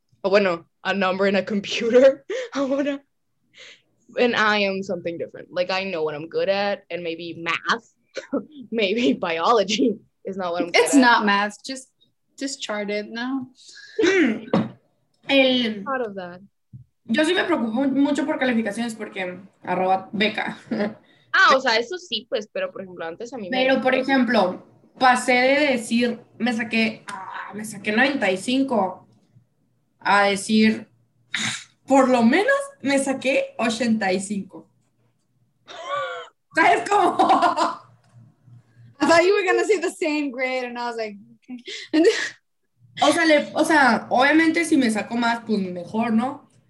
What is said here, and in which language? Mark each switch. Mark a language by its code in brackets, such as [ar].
[en] Oh, bueno, a number in a computer. And I am something different. Like, I know what I'm good at, and maybe math, maybe biology is not what I'm good at. It's not math, just chart it, no. Out of that. [es] Yo sí me preocupo mucho por calificaciones porque arroba beca. Ah, o sea, eso sí, pues, pero por ejemplo, antes a mí me... Pero, por ejemplo, pasé de decir, me saqué 95, a decir, por lo menos me saqué 85. ¿Sabes cómo? [en] I thought you were going to say the same grade, and I was like, okay. [es] O sea, obviamente si me saco más, pues mejor, ¿no?